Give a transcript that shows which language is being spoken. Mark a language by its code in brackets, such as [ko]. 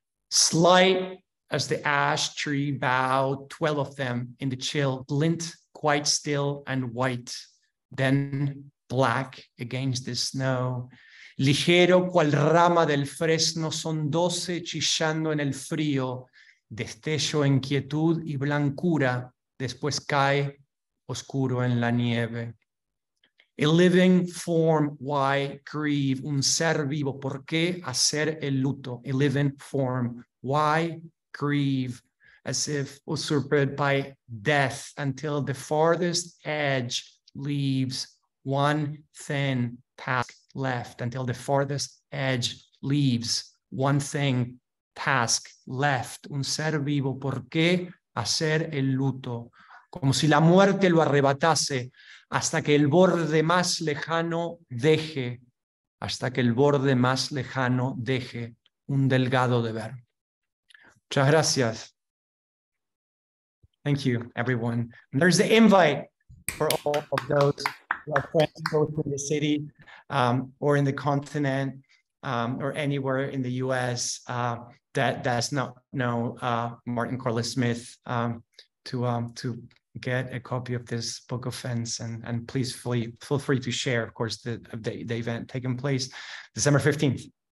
[en] Slight as the ash tree bough, 12 of them in the chill, glint quite still and white, then black against the snow. [es] Ligero cual rama del fresno, son 12 chillando en el frío, destello en quietud y blancura, después cae oscuro en la nieve. [en] A living form, why grieve? [es] Un ser vivo, ¿por qué hacer el luto? [en] A living form, why grieve? As if usurped by death, until the farthest edge leaves one thin task left, until the farthest edge leaves one thing task left. [es] Un ser vivo, ¿por qué hacer el luto? Como si la muerte lo arrebatase, hasta que el borde más lejano deje, hasta que el borde más lejano deje un delgado deber. Muchas gracias. [en] Thank you, everyone. And there's the invite for all of those who are friends both in the city or in the continent or anywhere in the US that does not know Martin Corliss Smith to get a copy of this book of fence and please feel free to share, of course, the event taking place December 15th.